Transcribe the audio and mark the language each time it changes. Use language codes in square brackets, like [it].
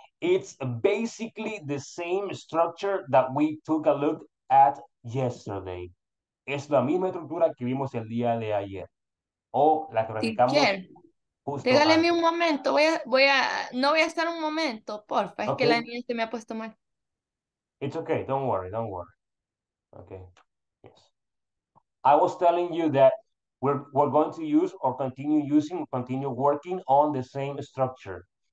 [en] It's basically the same structure that we took a look at yesterday. [es] Es la misma estructura que vimos el día de ayer. O la que practicamos. Déjame un momento. No voy a estar un momento, porfa. Okay. Es que la niña se me ha puesto mal. [en] It's okay, don't worry. Okay, yes. I was telling you that we're going to use or continue working on the same structure.